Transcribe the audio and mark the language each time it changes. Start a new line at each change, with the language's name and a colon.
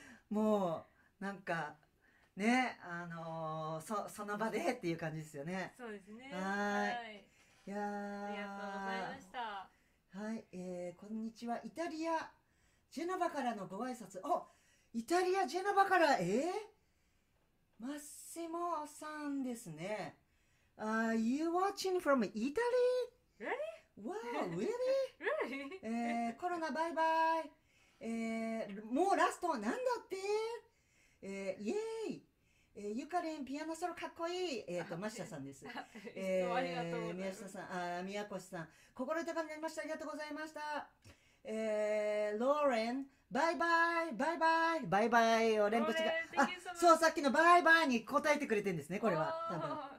Japanese: もうなんかね、その場でっていう感じですよね。そうですね。はい、はい、いやありがとうございました。はい、こんにちは、イタリアジェノバからのご挨拶。お、イタリアジェノバから、マッシモさんですね。
English: You watching from Italy? Really? Wow, really? Really?
Japanese: コロナバイバイ、もうラストなんだって、イエーイ、ゆかりんピアノソロかっこいい、マシタさんです。ありがとうございます。宮越さん、心豊かになりました、ありがとうございました。ローレン、バイバイ、バイバイ、バイバイを連発が、あ、そう、さっきのバイバイに答えてくれてるんですね、これは多分。